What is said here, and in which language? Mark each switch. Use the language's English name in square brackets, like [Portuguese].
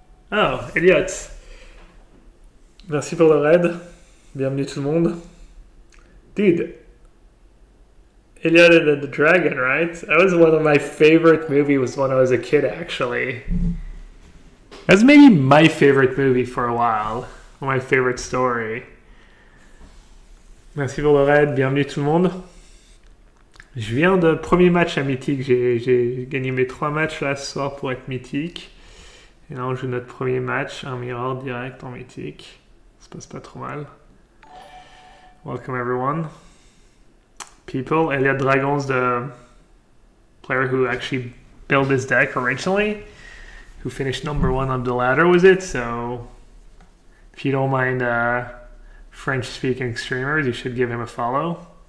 [French] Oh, Elliot. Merci pour le raid. Bienvenue tout le monde. Dude. [English] Elliot and the Dragon, right? That was one of my favorite movies when I was a kid, actually. That's maybe my favorite movie for a while. My favorite story. [French] Merci pour le raid, bienvenue tout le monde. Je viens de premier match à Mythique, j'ai gagné mes 3 matchs là ce soir pour être Mythique. Et là on joue notre premier match, un mirror direct en Mythique. Ça se passe pas trop mal. [English] Welcome everyone. People, Elliot Dragon's the player who actually built this deck originally. Who finished number one on the ladder was it, so if you don't mind French-speaking streamers, you should give him a follow.